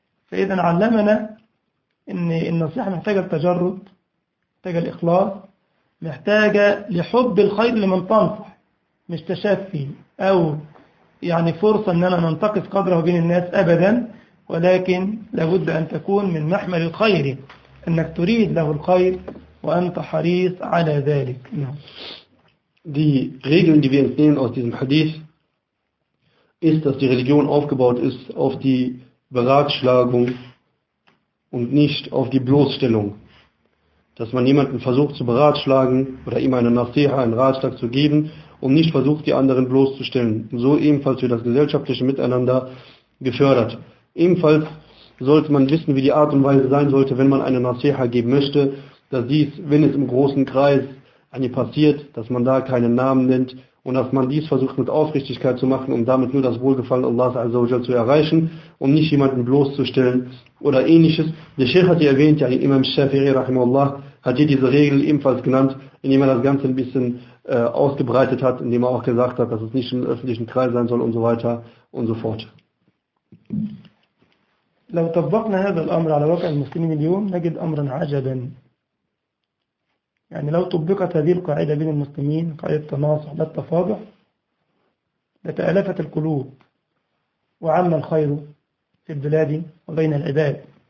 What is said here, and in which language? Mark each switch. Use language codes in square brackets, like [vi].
[ar] فاذا علمنا ان النصيحه محتاجه للتجرد، محتاجه للاخلاص، محتاجه لحب الخير لمن تنصح، مش تشافي او يعني فرصه ان انا ننتقص قدره بين الناس ابدا، ولكن لابد ان تكون من محمل الخير، انك تريد له الخير وانت حريص على ذلك. نعم. [de] Die Regeln, die wir entnehmen aus diesem Hadith, ist, dass die Religion aufgebaut ist auf die Beratschlagung und nicht auf die Bloßstellung. Dass man jemanden versucht zu beratschlagen oder ihm eine Nasiha, einen Ratschlag zu geben und nicht versucht, die anderen bloßzustellen. So ebenfalls wird das gesellschaftliche Miteinander gefördert. Ebenfalls sollte man wissen, wie die Art und Weise sein sollte, wenn man eine Nasiha geben möchte, dass dies, wenn es im großen Kreis passiert, dass man da keinen Namen nennt und dass man dies versucht mit Aufrichtigkeit zu machen, um damit nur das Wohlgefallen Allahs Azzawajal zu erreichen und nicht jemanden bloßzustellen oder ähnliches. Der Sheikh hat hier erwähnt, ja, Imam Shafi'i rahimahullah hat hier diese Regel ebenfalls genannt, indem er das Ganze ein bisschen ausgebreitet hat, indem er auch gesagt hat, dass es nicht im öffentlichen Kreis sein soll und so weiter und so fort. [ar] لو طبقنا هذا الأمر على واقع المسلمين اليوم نجد أمرا عجبا. يعني لو طبقت هذه القاعدة بين المسلمين، قاعدة التناصح لا التفاضح، لتألفت القلوب وعم الخير في البلاد وبين العباد.